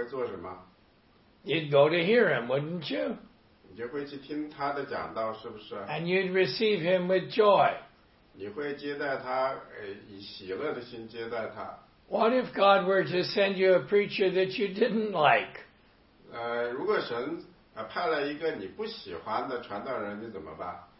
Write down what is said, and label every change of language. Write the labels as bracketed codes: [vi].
[zh] 如果神给你派了一个你喜欢的传道人，你会做什么？ [en] You'd go to hear him, wouldn't you? [zh] 你就会去听他的讲道，是不是？ [en] And you'd receive him with joy. [zh] 你会接待他，以喜乐的心接待他。 [en] What if God were to send you a preacher that you didn't like? [zh] 如果神 派了一个你不喜欢的传道人，你怎么办？